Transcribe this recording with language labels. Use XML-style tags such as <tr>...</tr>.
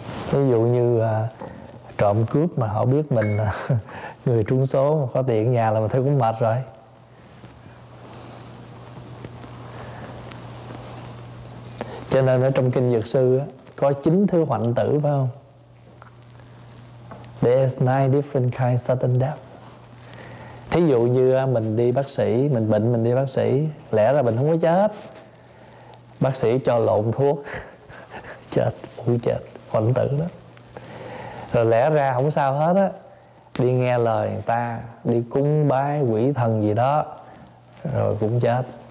<vi>Ví dụ như trộm cướp mà họ biết mình người trung số mà có tiền nhà là mình thấy cũng mệt rồi. Cho nên ở trong kinh Dược Sư có 9 thứ hoạnh tử, phải không?</vi> <en>There's 9 different kinds of sudden death.</en> <vi>Thí dụ như mình đi bác sĩ, mình bệnh mình đi bác sĩ, lẽ ra mình không có chết, bác sĩ cho lộn thuốc chết, cũng chết, hoạn tử đó. Rồi lẽ ra không sao hết á, đi nghe lời người ta, đi cúng bái quỷ thần gì đó rồi cũng chết.</vi>